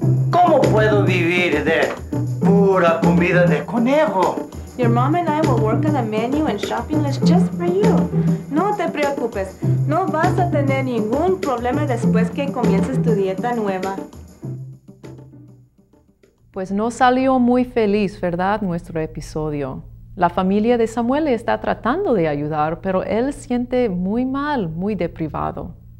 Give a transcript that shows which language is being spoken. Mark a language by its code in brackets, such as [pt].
[es] ¿Cómo puedo vivir de pura comida de conejo? [en] Your mom and I will work on a menu and shopping list just for you. [es] No te preocupes. No vas a tener ningún problema después que comiences tu dieta nueva. Pues no salió muy feliz, ¿verdad? Nuestro episodio. La familia de Samuel le está tratando de ayudar, pero él siente muy mal, muy deprivado.